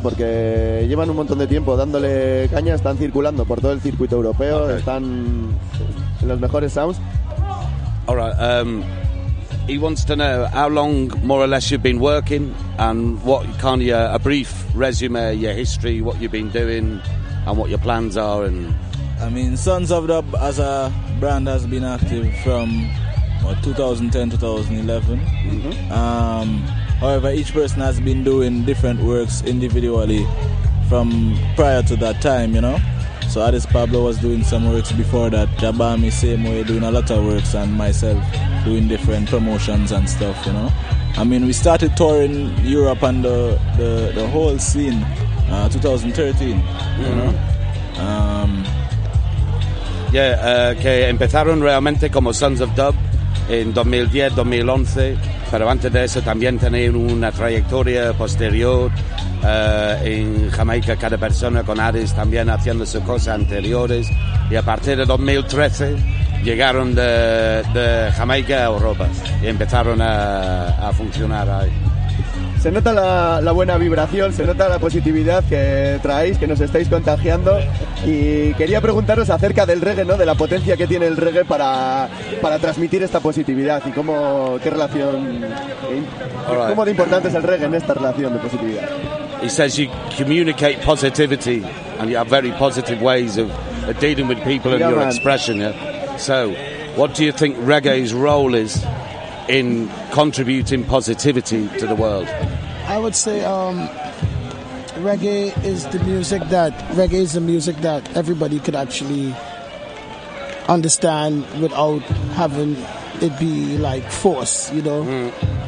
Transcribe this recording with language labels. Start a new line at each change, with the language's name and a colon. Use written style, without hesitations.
Spanish: Porque llevan un montón de tiempo dándole caña, están circulando por todo el circuito europeo, okay. Están en los mejores sounds.
English: All right, he wants to know how long, more or less, you've been working and what kind of a brief resume, your history, what you've been doing and what your plans are. And I mean, Sons of Dub as a brand has been active from 2010-2011. Mm-hmm. However, each person has been doing different works individually from prior to that time, you know. So Addis Pablo was doing some works before that. Jabami, same way, doing a lot of works, and myself doing different promotions and stuff, you know. I mean, we started touring Europe and the whole scene 2013, mm-hmm. You know.
Spanish: Que empezaron realmente como Sons of Dub en 2010-2011, pero antes de eso también tenían una trayectoria posterior en Jamaica, cada persona con Addis también haciendo sus cosas anteriores, y a partir de 2013 llegaron de Jamaica a Europa y empezaron a funcionar ahí. Se nota la buena vibración, se nota la positividad que traéis, que nos estáis contagiando. Y quería preguntaros acerca del reggae, ¿no? De la potencia que tiene el reggae para transmitir esta positividad. Y cómo, qué relación, cómo de importante es el reggae en esta relación de positividad.
English: He says you communicate positivity and you have very positive ways of dealing with people and your expression. Yeah? So, what do you think reggae's role is in contributing positivity to the world? I would say reggae is the music that everybody could actually understand without having it be like force, you know. Mm.